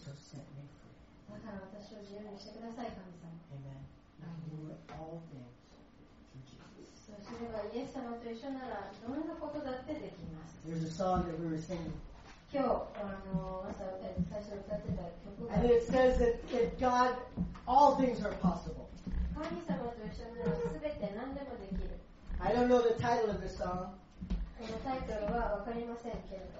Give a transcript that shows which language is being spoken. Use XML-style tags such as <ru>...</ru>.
<ja>だから私を自由にしてください、神様。</ja> <en>Amen. You can do all things through Jesus.</en> <ja>そうすればイエス様と一緒ならどんなことだってできます。</ja> <en>There's a song that we were singing.</en> <ja>今日朝最初歌ってた曲が。</ja> <en>And it says that if God, all things are possible.</en> <ja>神様と一緒ならすべて何でもできる。</ja> <en>I don't know the title of the song.</en> <ja>このタイトルはわかりませんけれど。</ja>